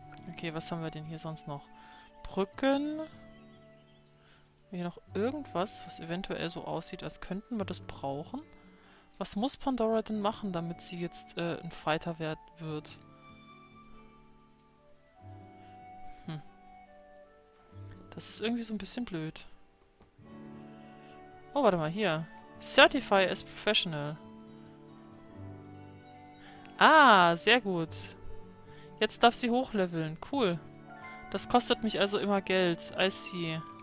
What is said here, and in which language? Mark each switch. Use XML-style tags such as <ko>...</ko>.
<de>Okay, was haben wir denn hier sonst noch? Brücken... Hier noch irgendwas, was eventuell so aussieht, als könnten wir das brauchen? Was muss Pandora denn machen, damit sie jetzt ein Fighter wird? Das ist irgendwie so ein bisschen blöd. Oh, warte mal, hier.</de> <en>Certify as professional.</en> <de>Ah, sehr gut. Jetzt darf sie hochleveln. Cool. Das kostet mich also immer Geld.</de> <en>I see.</en>